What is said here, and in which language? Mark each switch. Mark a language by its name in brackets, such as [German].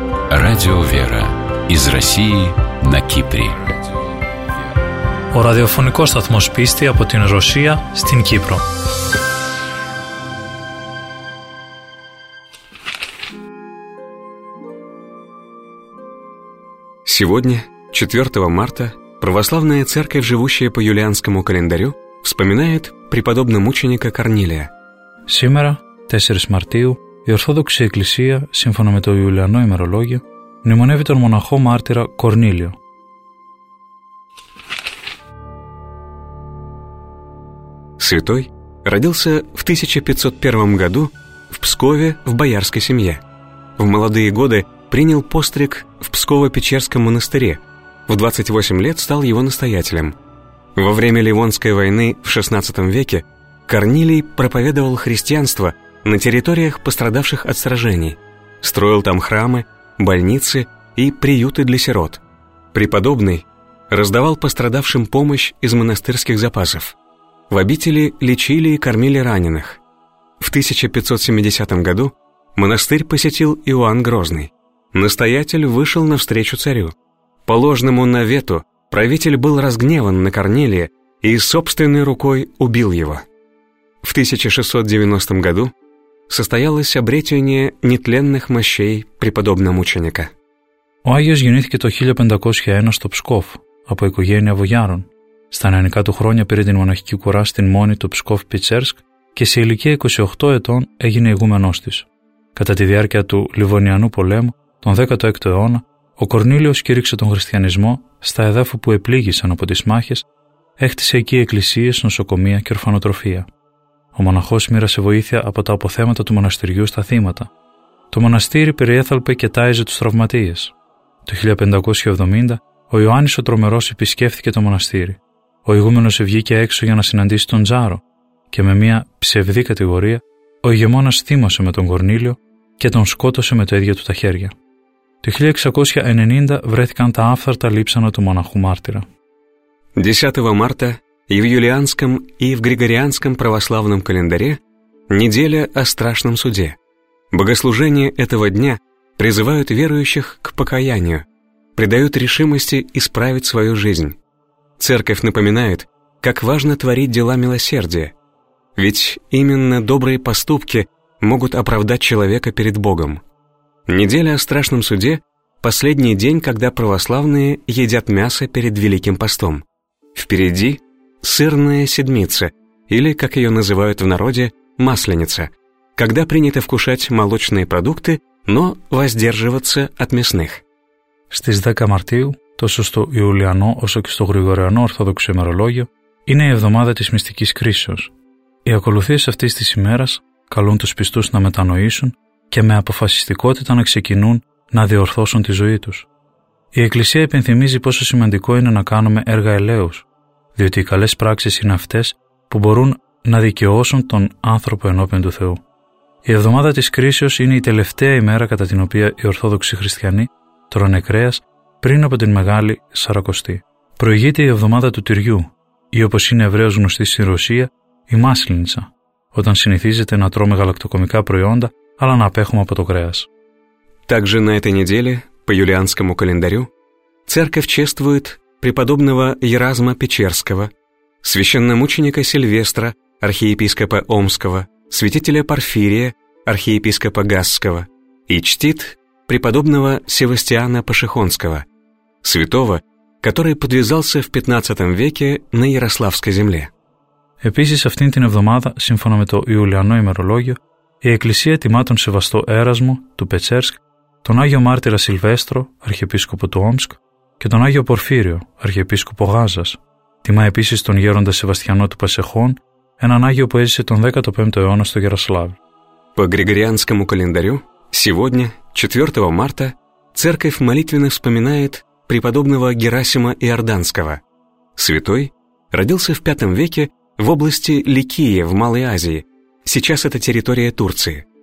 [Russian] Радио «Вера» из России на Кипре. [Greek] Ο ραδιοφωνικός σταθμός πίστη από την Ρωσία στην Κύπρο. [Russian] Сегодня, 4 марта, православная церковь, живущая по юлианскому календарю, вспоминает преподобного мученика Корнилия. Сегодня, 4 марта, [Greek] η Ορθόδοξη Εκκλησία, σύμφωνα με το Ιουλιανό ημερολόγιο, μνημονεύει τον μοναχό μάρτυρα Κορνίλιο. [Russian] Святой родился в 1501 году в Пскове в боярской семье. В молодые годы принял постриг в Псково-Печерском монастыре. В 28 лет стал его настоятелем. Во время Ливонской войны в 16 веке Корнилий проповедовал христианство на территориях, пострадавших от сражений. Строил там храмы, больницы и приюты для сирот. Преподобный раздавал пострадавшим помощь из монастырских запасов. В обители лечили и кормили раненых. В 1570 году монастырь посетил Иоанн Грозный. Настоятель вышел навстречу царю. По ложному навету правитель был разгневан на Корнилия и собственной рукой убил его. В 1690 году состоялось обретение нетленных мощей преподобного мученика. [Greek] Ο Άγιος γεννήθηκε το 1501 στο Ψκόφ από οικογένεια βογιάρων. Στα νεανικά του χρόνια πήρε την μοναχική κουρά στην μόνη του Ψκόφ-Πιτσέρσκ και σε ηλικία 28 ετών έγινε ηγούμενός της. Κατά τη διάρκεια του Λιβωνιανού πολέμου, τον 16ο αιώνα, ο Κορνίλιος κήρυξε τον χριστιανισμό στα εδάφη που επλήγησαν από τις μάχες, έκτισε εκεί εκκλησίες, νοσοκομεία και ορφανοτροφία. Ο μοναχός μοίρασε βοήθεια από τα αποθέματα του μοναστηριού στα θύματα. Το μοναστήρι περιέθαλπε και τάιζε τους τραυματίες. Το 1570, ο Ιωάννης ο Τρομερός επισκέφθηκε το μοναστήρι. Ο ηγούμενος βγήκε έξω για να συναντήσει τον Τζάρο και με μια ψευδή κατηγορία, ο ηγεμόνας θύμωσε με τον Κορνίλιο και τον σκότωσε με το ίδιο του τα χέρια. Το 1690 βρέθηκαν τα άφθαρτα λείψανα του μοναχού μάρτυρα. [Russian] 10 Μάρτα, и в юлианском, и в григорианском православном календаре неделя о страшном суде. Богослужения этого дня призывают верующих к покаянию, придают решимости исправить свою жизнь. Церковь напоминает, как важно творить дела милосердия, ведь именно добрые поступки могут оправдать человека перед Богом. Неделя о страшном суде – последний день, когда православные едят мясо перед Великим постом. Впереди – сырная седмица, или, как ее называют в народе, масленица, когда принято вкушать молочные продукты, но воздерживаться от мясных. [Greek] Στις 10 Μαρτίου, τόσο στο Ιουλιανό όσο και στο Γρηγοριανό Ορθόδοξο ημερολόγιο, είναι η εβδομάδα της μυστικής κρίσεως. Οι ακολουθίες αυτής της ημέρας καλούν τους πιστούς να μετανοήσουν και με αποφασιστικότητα να ξεκινούν να διορθώσουν τη ζωή τους. Η Εκκλησία υπενθυμίζει πόσο σημαντικό είναι να κάνουμε έργα ελέους, διότι οι καλές πράξεις είναι αυτές που μπορούν να δικαιώσουν τον άνθρωπο ενώπιον του Θεού. Η εβδομάδα της κρίσεως είναι η τελευταία ημέρα κατά την οποία οι Ορθόδοξοι Χριστιανοί τρώνε κρέας πριν από την Μεγάλη Σαρακοστή. Προηγείται η εβδομάδα του τυριού, ή όπως είναι ευρέως γνωστή στη Ρωσία, η μάσλινσα, όταν συνηθίζεται να τρώμε γαλακτοκομικά προϊόντα, αλλά να απέχουμε από το κρέας. [Russian] Также на этой неделе, по юлианскому календарю, церковь чествует преподобного Еразма Печерского, священномученика Сильвестра, архиепископа Омского, святителя Порфирия, архиепископа Гасского, и чтит преподобного Севастиана Пашихонского, святого, который подвязался в 15 веке на Ярославской земле. [Greek] Επίσης, αυτήν την εβδομάδα, σύμφωνα με το Ιουλιανό ημερολόγιο, η Εκκλησία τιμά τον Σεβαστό Έρασμο του Πετσέρσκ, τον Άγιο Μάρτυρα Σιλβέστρο, αρχιεπίσκοπο του Όμσκ, και τον Άγιο Πορφύριο, αρχιεπίσκοπο Γάζας. Τιμά επίσης τον γέροντα Σεβαστιανό του Πασεχών, έναν Άγιο που έζησε τον 15ο αιώνα στο Γεροσλάβ. [Russian] По григорианскому календарю, сегодня, 4 марта, церковь молитвенно вспоминает преподобного Герасима Иорданского. Святой родился в 5 веке в области Ликия в Малой Азии, сейчас это территория Турции.